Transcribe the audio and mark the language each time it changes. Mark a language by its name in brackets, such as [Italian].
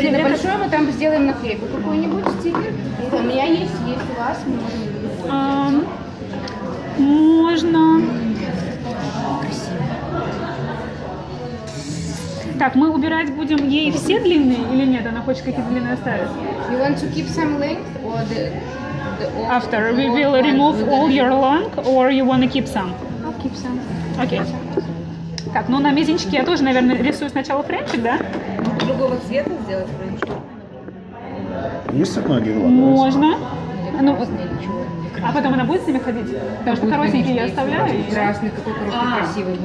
[Russian] Блин, на большой мы там сделаем наклейку какую-нибудь, стикер. У меня есть, есть у вас, мы можем... Можно... Красиво. Так, мы убирать будем ей все длинные или нет? Она хочет какие-то длинные оставить? [English] You want to keep some length or the... After we will remove all your long, or you want to keep some? I'll keep some. Okay. [Russian] Так, ну на мизинчике я тоже, наверное, рисую сначала френчик, да? Другого цвета сделать френчик. Есть цветной гирлянд? Можно. Ну, а потом она будет с ними ходить? Потому что коротенький я оставляю. Красный, какой короткий, красивый.